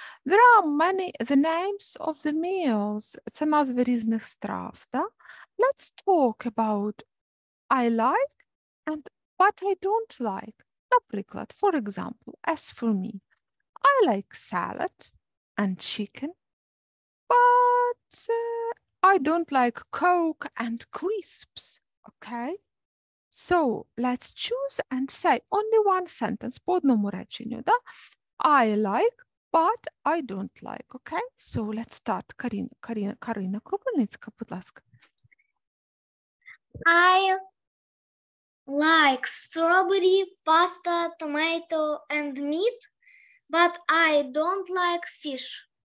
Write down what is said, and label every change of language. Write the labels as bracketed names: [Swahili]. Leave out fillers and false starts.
[English] There are many the names of the meals. [Ukrainian] Це назви різних страв, да? [English] Let's talk about I like and what I don't like. [Ukrainian] Наприклад, [English] for example, as for me, I like salad and chicken. But I don't like Coke and crisps, okay? So let's choose and say only one sentence, [Ukrainian] по одному реченню, да? [English] I like, but I don't like, okay? So let's start. [Ukrainian] Карина Кропивницька, будь ласка. [English] I like strawberry, pasta, tomato and meat, but I don't like fish.